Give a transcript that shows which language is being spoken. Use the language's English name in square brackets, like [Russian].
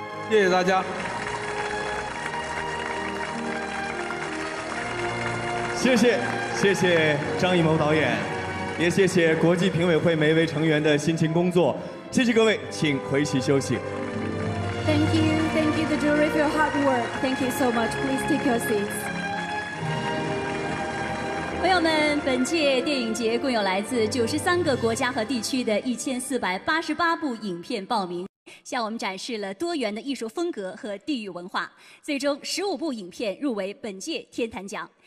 [Chinese] 谢谢大家。谢谢，谢谢张艺谋导演，也谢谢国际评委会每一位成员的辛勤工作。谢谢各位，请回席休息。 [English] Thank you the jury for your hard work. Thank you so much. Please take your seats. [Chinese] 朋友们，本届电影节共有来自93个国家和地区的1488部影片报名。向我们展示了多元的艺术风格和地域文化，最终15部影片入围本届天坛奖。